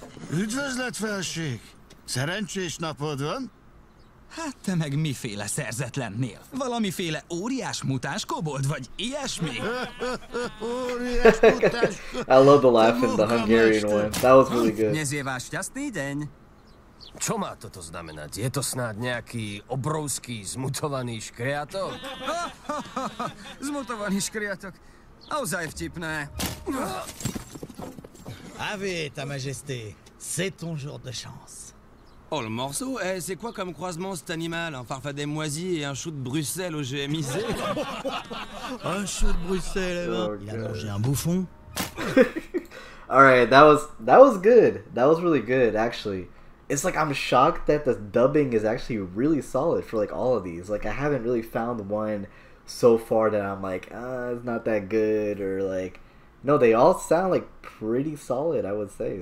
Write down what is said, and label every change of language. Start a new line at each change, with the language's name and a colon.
Hungarian: Üdvözlet felség! Szerencsés napod van? Hát te meg miféle szerzetlennél? Valamiféle óriás mutáns kobold vagy ilyesmi?
English: I love the laugh in the Hungarian one. That was really good.
Slovak: Dnes je váš šťastný deň. Čo má toto znamenať? Je to snáď nejaký obrovský zmutovaný škriatok? Zmutovaný škriatok. Naozaj vtipné.
French: Ave, ta majesté, c'est ton jour de chance. Oh, le morceau, eh, c'est quoi comme croisement cet animal? Un farfadet moisi et un chou de Bruxelles au GMIC? Un chou de Bruxelles, oh, il a mangé un bouffon.
English: Alright, that was good. That was really good, actually. It's like I'm shocked that the dubbing is actually really solid for like all of these. Like I haven't really found one so far that I'm like, it's not that good or like, no, they all sound like pretty solid, I would say.